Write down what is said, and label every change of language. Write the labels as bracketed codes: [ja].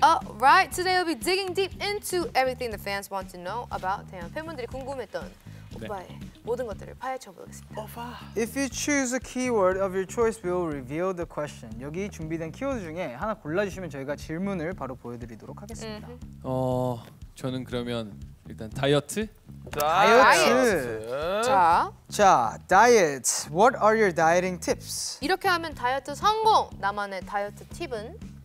[en] Alright, today we'll be digging deep into everything the fans want to know about Taehyun. [ko] 팬분들이 궁금했던 오빠의 모든 것들을 파헤쳐 보겠습니다. 오빠. [en] If you choose a keyword of your choice, we'll reveal the question. [ko] 여기 준비된 키워드 중에 하나 골라주시면 저희가 질문을 바로 보여드리도록 하겠습니다. 저는 그러면 일단 다이어트. 다이어트. 자, [en] diet. What are your dieting tips? [ko] 이렇게 하면 다이어트 성공. 나만의 다이어트 팁은?